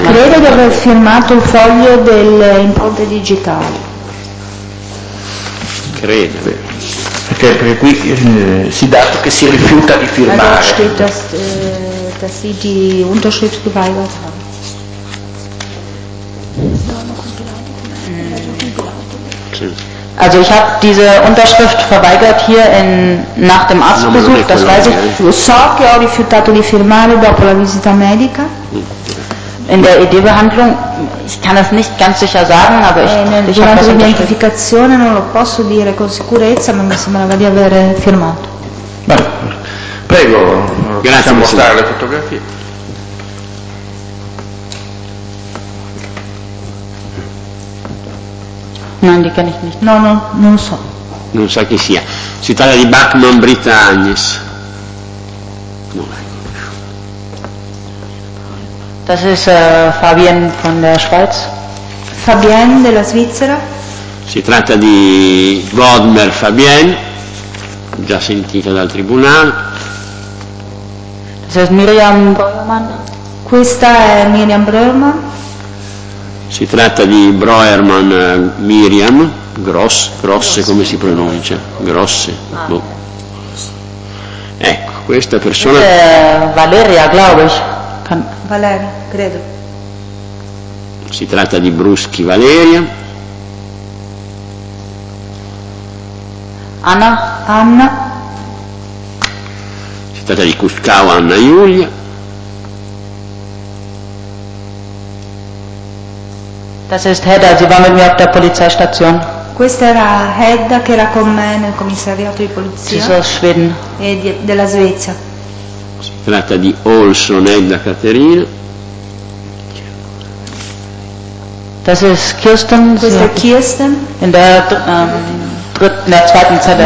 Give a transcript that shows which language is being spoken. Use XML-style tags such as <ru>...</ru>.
<de>man.</de> <it>Credo di aver firmato il foglio dell'impronta digitale. Credo. Perché, perché qui si dato che si rifiuta di firmare. Allora</it> <de>steht, dass, dass sie die Unterschrift geweigert haben. Also ich habe diese Unterschrift verweigert hier in, nach dem Arztbesuch, das weiß ich.</de> <it>So che ho rifiutato di firmare dopo la visita medica.</it> <de>In der ED-Behandlung, ich kann das nicht ganz sicher sagen, aber ich</de> <it>durante l'identificazione non lo posso dire con sicurezza, ma mi sembrava di aver firmato. Prego, grazie, mostrare le fotografie. Non dica niente. No, no, non so. Non sa chi sia. Si tratta di Bachmann Britta Agnes.</it> <de>Das ist Fabien von der Schweiz.</de> <it>Fabien della Svizzera. Si tratta di Wodmer Fabien, già sentita dal tribunale.</it> <de>Das ist Miriam Breuermann.</de> <it>Questa è Miriam Breuermann. Si tratta di Breuermann Miriam, grosse, grosse come si pronuncia, grosse, boh. Ecco, questa persona...</it> <de>Valeria, glaube ich.</de> <it>Valeria, credo. Si tratta di Bruschi Valeria. Anna. Anna. Si tratta di Kuskau Anna Giulia.</it> <de>Das ist Hedda, sie war mit mir auf der Polizeistation.</de> <it>Questa era Hedda che era con me nel commissariato di polizia.</it> <de>Sie ist aus Schweden.</de> <it>E di, della Svezia. Si tratta di Olson Hedda Caterina.</it> <de>Das ist Kirsten.</de> <it>Questa è Kirsten.</it> <de>In der zweiten Zelle.</de>